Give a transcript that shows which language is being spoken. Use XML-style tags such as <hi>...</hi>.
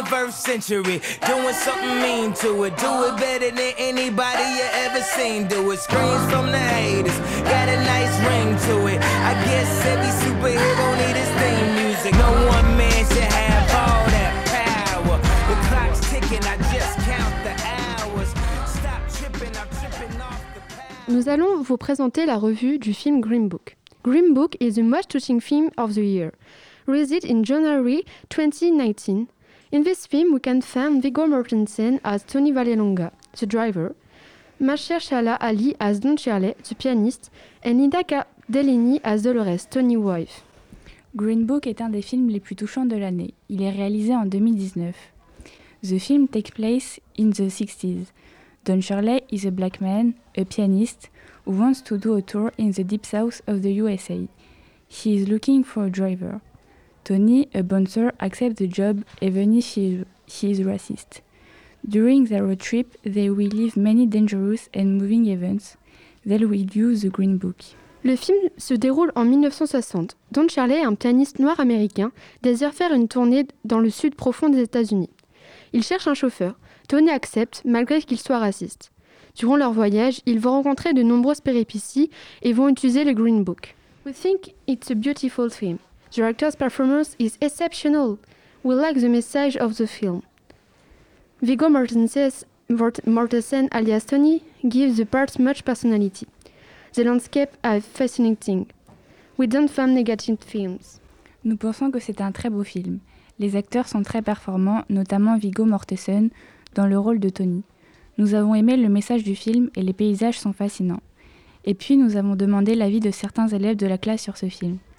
<en>Century, doing something mean to it, do it better than anybody you ever seen do it. Screams from the haters, got a nice ring to it. I guess every superhero need his theme music. No one man should have all that power. The clock's ticking, I just count the hours. Stop tripping, I'm tripping off the power.</en> <fr>Nous allons vous présenter la revue du film Green Book.</fr> <en>Green Book is the most touching film of the year. Released in January 2019. In this film, we can find Viggo Mortensen as Tony Vallelonga, the driver, Mahershala Ali as Don Shirley, the pianist, and Linda Cardellini as Dolores, Tony's wife.</en> <fr>Green Book est un des films les plus touchants de l'année. Il est réalisé en 2019.</fr> <en>The film takes place in the 60s. Don Shirley is a black man, a pianist, who wants to do a tour in the deep south of the USA. He is looking for a driver. Tony, a bouncer, accepts the job even if he is racist. During their road trip, they will live many dangerous and moving events. They will use the Green Book.</en> <fr>Le film se déroule en 1960. Don Shirley, un pianiste noir américain, désire faire une tournée dans le sud profond des États-Unis. Il cherche un chauffeur. Tony accepte, malgré qu'il soit raciste. Durant leur voyage, ils vont rencontrer de nombreuses péripéties et vont utiliser le Green Book.</fr> <en>We think it's a beautiful film. The actor's performance is exceptional. We like the message of the film. Viggo Mortensen alias Tony gives the part much personality. The landscape are fascinating. We don't find negative films.</en> <fr>Nous pensons que c'est un très beau film. Les acteurs sont très performants, notamment Viggo Mortensen dans le rôle de Tony. Nous avons aimé le message du film et les paysages sont fascinants. Et puis nous avons demandé l'avis de certains élèves de la classe sur ce film.</fr>